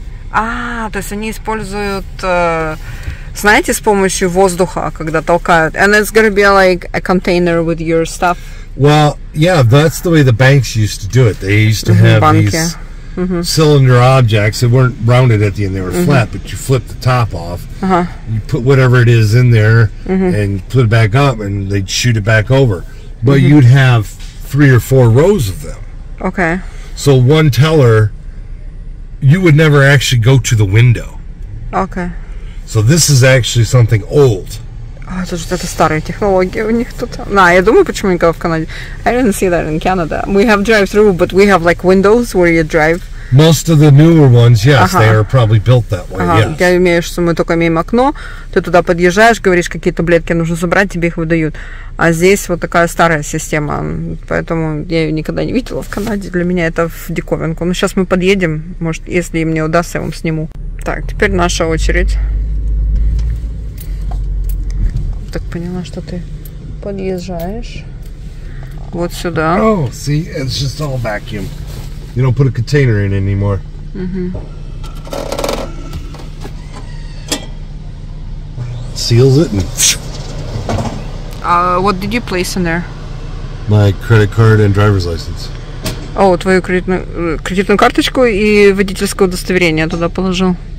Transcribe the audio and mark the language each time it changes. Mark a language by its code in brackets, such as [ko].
[ru] А, то есть они используют, знаете, с помощью воздуха, когда толкают. [en] And it's gonna be like a container with your stuff. Well, yeah, that's the way the banks used to do it. They used to have these... Mm-hmm. Cylinder objects that weren't rounded at the end, they were mm-hmm. flat, but you flip the top off, uh-huh. you put whatever it is in there mm-hmm. and put it back up and they'd shoot it back over. But mm-hmm. you'd have three or four rows of them. Okay. So one teller, you would never actually go to the window. Okay. So this is actually something old. [ru] А, это же это старая технология у них тут. На, я думаю, почему никого в Канаде. [en] I didn't see that in Canada. We have drive-thru, but we have like windows where you drive. Most of the newer ones, yes, ага. they are probably built that way, ага. yes. [ru] Я имею в виду, что мы только имеем окно, ты туда подъезжаешь, говоришь, какие таблетки нужно забрать, тебе их выдают. А здесь вот такая старая система, поэтому я ее никогда не видела в Канаде. Для меня это в диковинку. Но сейчас мы подъедем, может, если мне удастся, я вам сниму. Так, теперь наша очередь. Так поняла, что ты подъезжаешь вот сюда. [en] Oh, see, it's just all vacuum. You don't put a container in anymore. Mm-hmm. Seals it and. What did you place in there? My credit card and driver's license. [ru] О, oh, твою кредитную карточку и водительское удостоверение туда положил.